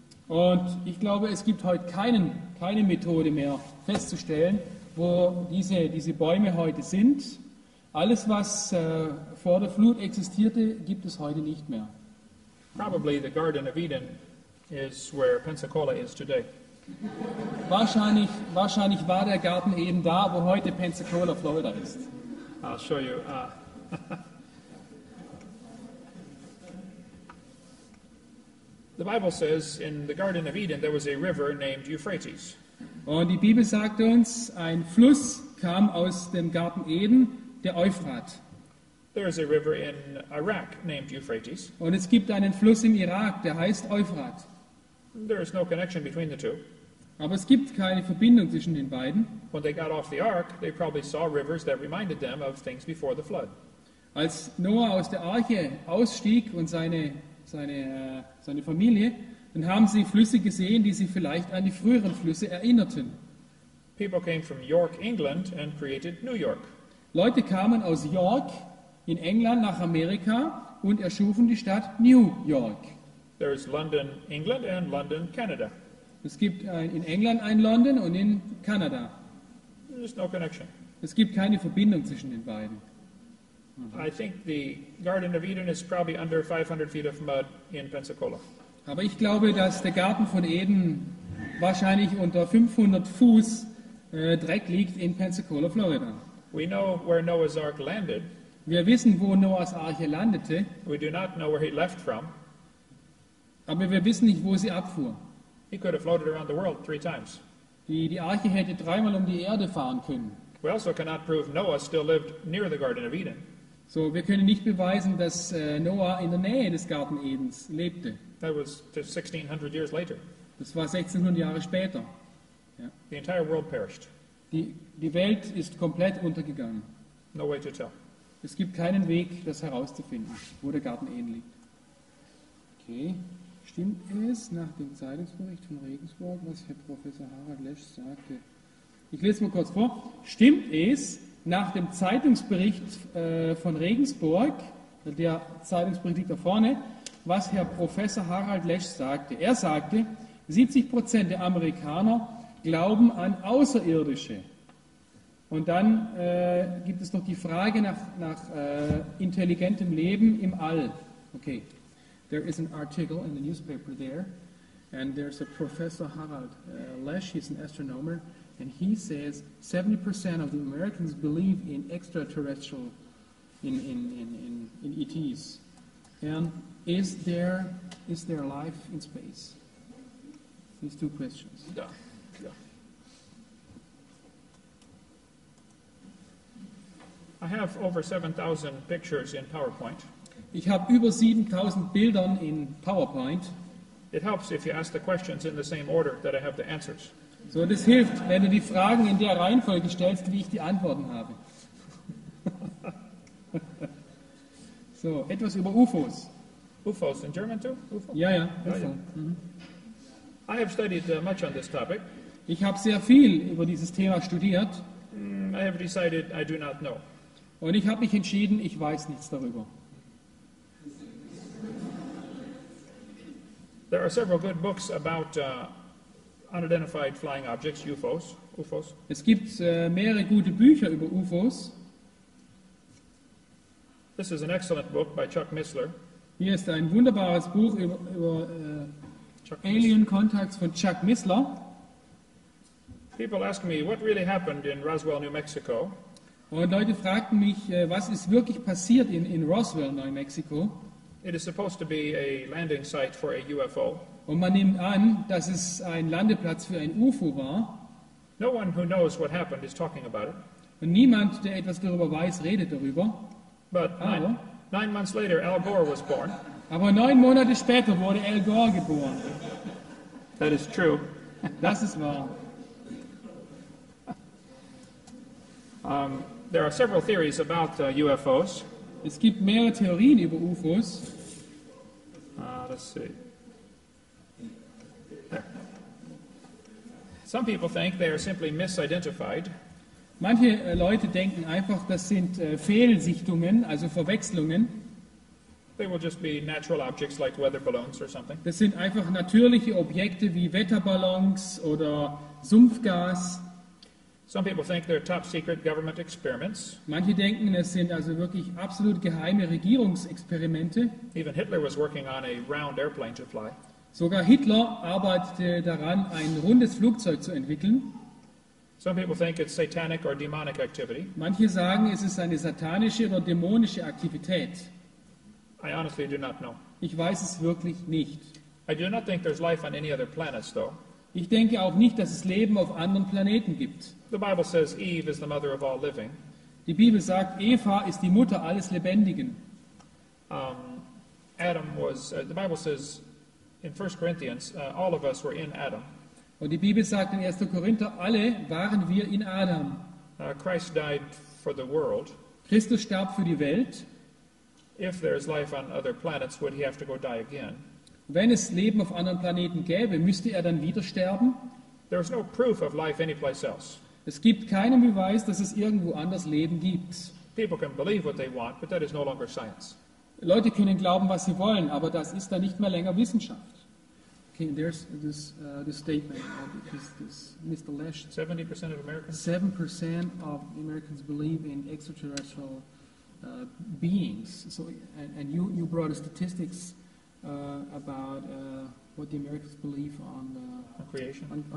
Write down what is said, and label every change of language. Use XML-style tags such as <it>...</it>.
<de>Und ich glaube, es gibt heute keine Methode mehr festzustellen, wo diese Bäume heute sind. Alles, was vor der Flut existierte, gibt es heute nicht mehr.</de> <en>Probably the Garden of Eden is where Pensacola is today.</en> <de>Wahrscheinlich war der Garten eben da, wo heute Pensacola, Florida ist.</de> <en>I'll show you. The Bible says in the Garden of Eden there was a river named Euphrates.</en> <de>Und die Bibel sagt uns, ein Fluss kam aus dem Garten Eden, der Euphrat.</de> <en>There is a river in Iraq named Euphrates.</en> <de>Und es gibt einen Fluss im Irak, der heißt Euphrat.</de> <en>There is no connection between the two.</en> <de>Aber es gibt keine Verbindung zwischen den beiden.</de> <en>When they got off the ark, they probably saw rivers that reminded them of things before the flood.</en> <de>Als Noah aus der Arche ausstieg und seine Familie, dann haben sie Flüsse gesehen, die sie vielleicht an die früheren Flüsse erinnerten.</de> <en>People came from York, England and created New York.</en> <de>Leute kamen aus York in England nach Amerika und erschufen die Stadt New York.</de> <en>There is London, England and London, Canada.</en> <de>Es gibt in England ein London und in Kanada.</de> <en>There's no connection.</en> <de>Es gibt keine Verbindung zwischen den beiden.</de> <en>I think the Garden of Eden is probably under 500 feet of mud in Pensacola.</en> <de>Aber ich glaube, dass der Garten von Eden wahrscheinlich unter 500 Fuß Dreck liegt in Pensacola, Florida.</de> <en>We know where Noah's Ark landed.</en> <de>Wir wissen, wo Noahs Arche landete.</de> <en>We do not know where he left from.</en> <de>Aber wir wissen nicht, wo sie abfuhr.</de> <en>He could have floated around the world three times.</en> <de>Die Arche hätte dreimal um die Erde fahren können.</de> <en>We also cannot prove Noah still lived near the Garden of Eden.</en> <de>So, wir können nicht beweisen, dass Noah in der Nähe des Garten Edens lebte.</de> <en>That was 1600 years later.</en> <de>Das war 1600 Jahre später.</de> <en>Ja. The entire world perished.</en> <de>Die Welt ist komplett untergegangen. No way to tell. Es gibt keinen Weg, das herauszufinden, wo der Garten Eden liegt. Okay. Stimmt es nach dem Zeitungsbericht von Regensburg, was Herr Professor Harald Lesch sagte? Ich lese mal kurz vor. Stimmt es nach dem Zeitungsbericht von Regensburg, der Zeitungsbericht liegt da vorne, was Herr Professor Harald Lesch sagte? Er sagte, 70% der Amerikaner glauben an Außerirdische. Und dann gibt es noch die Frage nach intelligentem Leben im All. Okay.</de> <en>There is an article in the newspaper there, and there's a Professor Harald Lesch, he's an astronomer, and he says 70% of the Americans believe in extraterrestrial, in ETs. And is there life in space? These two questions. Yeah. I have over 7,000 pictures in PowerPoint.</en> <de>Ich habe über 7000 Bildern in PowerPoint.</de> <en>It helps if you ask the questions in the same order that I have the answers.</en> <de>So das hilft, wenn du die Fragen in der Reihenfolge stellst, wie ich die Antworten habe. So, etwas über UFOs.</de> <en>UFOs in German too?</en> <de>UFO? Ja, ja. UFO. Ja.</de> <en>Mm-hmm. I have studied much on this topic.</en> <de>Ich habe sehr viel über dieses Thema studiert.</de> <en>I have decided I do not know.</en> <de>Und ich habe mich entschieden, ich weiß nichts darüber.</de> <en>There are several good books about unidentified flying objects, UFOs.</en> <de>Es gibt mehrere gute Bücher über UFOs.</de> <en>This is an excellent book by Chuck Missler.</en> <de>Hier ist ein wunderbares Buch über Alien Contacts von Chuck Missler.</de> <en>People ask me what really happened in Roswell, New Mexico.</en> <de>Und Leute fragten mich, was ist wirklich passiert in Roswell, New Mexico?</de> <en>It is supposed to be a landing site for a UFO.</en> <de>Und man nimmt an, dass es ein Landeplatz für ein UFO war.</de> <en>No one who knows what happened is talking about it.</en> <de>Und niemand, der etwas darüber weiß, redet darüber.</de> <en>But nine months later, Al Gore was born.</en> <de>Aber 9 Monate später wurde Al Gore geboren.</de> <en>That is true.</en> <de>Das ist wahr.</de> <en>There are several theories about UFOs.</en> <de>Es gibt mehrere Theorien über UFOs.</de> <en>Let's see. Some people think they are simply misidentified.</en> <de>Manche Leute denken einfach, das sind Fehlsichtungen, also Verwechslungen.</de> <en>They will just be natural objects like weather balloons or something.</en> <de>Das sind einfach natürliche Objekte wie Wetterballons oder Sumpfgas.</de> <en>Some people think they're top secret government experiments.</en> <de>Manche denken, es sind also wirklich absolut geheime Regierungsexperimente.</de> <en>Even Hitler was working on a round airplane to fly.</en> <de>Sogar Hitler arbeitete daran, ein rundes Flugzeug zu entwickeln.</de> <en>Some people think it's satanic or demonic activity.</en> <de>Manche sagen, es ist eine satanische oder dämonische Aktivität.</de> <en>I honestly do not know.</en> <de>Ich weiß es wirklich nicht.</de> <en>I do not think there's life on any other planets, though.</en> <de>Ich denke auch nicht, dass es Leben auf anderen Planeten gibt.</de> <en>The Bible says Eve is the mother of all living.</en> <de>Die Bibel sagt, Eva ist die Mutter alles Lebendigen.</de> <en>The Bible says in 1 Corinthians, all of us were in Adam.</en> <de>Und die Bibel sagt in 1. Korinther, alle waren wir in Adam.</de> <en>Christ died for the world.</en> <de>Christus starb für die Welt.</de> <en>If there is life on other planets, would he have to go die again?</en> <de>Wenn es Leben auf anderen Planeten gäbe, müsste er dann wieder sterben?</de> <en>There is no proof of life anyplace else.</en> <de>Es gibt keinen Beweis, dass es irgendwo anders Leben gibt.</de> <en>People can believe what they want, but that is no longer science.</en> <de>Leute können glauben, was sie wollen, aber das ist dann nicht mehr länger Wissenschaft.</de> <en>Okay, there's this this statement of this Mr. Lesch. 70% of Americans. 7% of Americans believe in extraterrestrial beings. So, and you brought a statistics about what the Americans believe on the creation.</en>